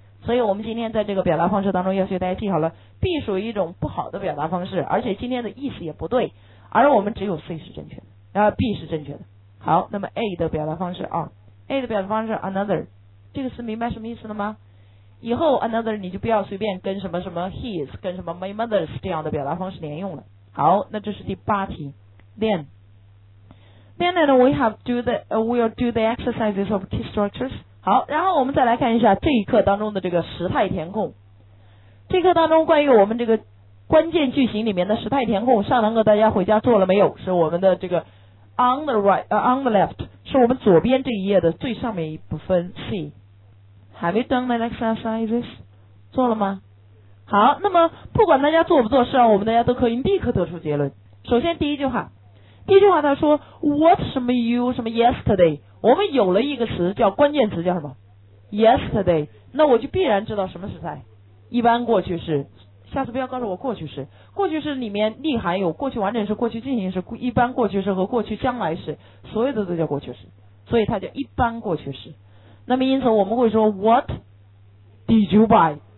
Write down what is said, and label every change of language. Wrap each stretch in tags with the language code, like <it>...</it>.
<zh>所以我们今天在这个表达方式当中要求大家记好了 B 属于一种不好的表达方式，而且今天的意思也不对，而我们只有 C 是正确的，然后 B 是正确的。好，那么 A 的表达方式啊， A 的表达方式 another， 这个词明白什么意思了吗？以后 another 你就不要随便跟什么什么 his 跟什么 my mother's 这样的表达方式连用了。好，那这是第八题。</zh> <en>Then we have do the we'll do the exercises of key structures。</en> <zh>好，然后我们再来看一下这一课当中的这个时态填空。这课当中关于我们这个关键句型里面的时态填空，上堂课大家回家做了没有？是我们的这个</zh> <en>on the left</en> <zh>是我们左边这一页的最上面一部分 C。</zh> <en>Have you done the exercises？</en> <zh>做了吗？好，那么不管大家做不做，是让我们大家都可以立刻得出结论。首先第一句话他说 what 什么 you 什么 yesterday， 我们有了一个词叫关键词叫什么 yesterday， 那我就必然知道什么时态，一般过去式，下次不要告诉我过去式，过去式里面内含有过去完整式、过去进行式、一般过去式和过去将来式，所有的都叫过去式，所以它叫一般过去式。那么因此我们会说</zh> <en>what did you buy，</en>